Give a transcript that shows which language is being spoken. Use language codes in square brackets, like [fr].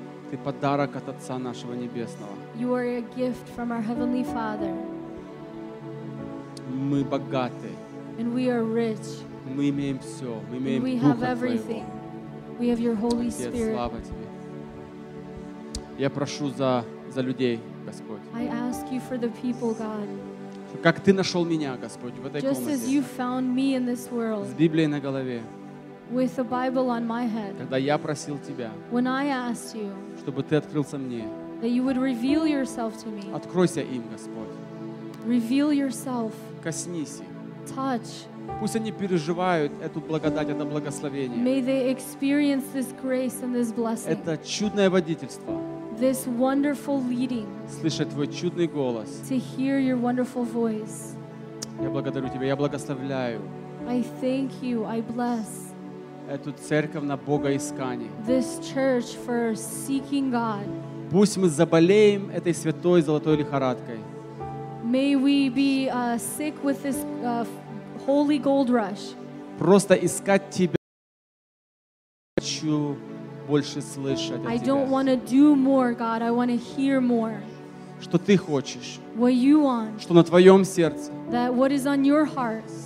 [ru] Ты подарок от Отца нашего Небесного. [en] You are a gift from our Heavenly Father. [ru] Мы богаты. [en] And we are rich. [ru] Мы имеем все. Мы имеем Духа Твоего. [en] We have everything. We have your Holy Spirit. [ru] Отец, слава тебе. Я прошу за людей, Господь. [en] I ask you for the people, God. [ru] Как ты нашел меня, Господь, в этой [en] Just [ru] комнате. [en] As you found me in this world, [ru] с Библией на голове. [en] With the Bible on my head, [ru] когда я просил тебя. [en] When I asked you, [ru] чтобы ты открылся мне. [en] That you would reveal yourself to me. [ru] Откройся им, Господь. [en] Reveal yourself. [ru] Коснись их. [en] Touch. [ru] Пусть они переживают эту благодать, это благословение. [en] May they experience this grace and this blessing. [ru] Это чудное водительство. [en] This wonderful leading. [ru] Слышать твой чудный голос. [en] To hear your wonderful voice. [ru] Я благодарю тебя, я благословляю. [en] I thank you, I bless. [ru] Эту церковь на богоискание. [en] This church for seeking God. [ru] Пусть мы заболеем этой святой золотой лихорадкой. [en] May we be sick with this holy gold rush. [ru] Просто искать тебя. Хочу больше слышать от тебя. [en] I don't want to do more, God. I want to hear more. [ru] Что ты хочешь? [en] What you want? [ru] Что на твоем сердце? [en] That what is on your heart?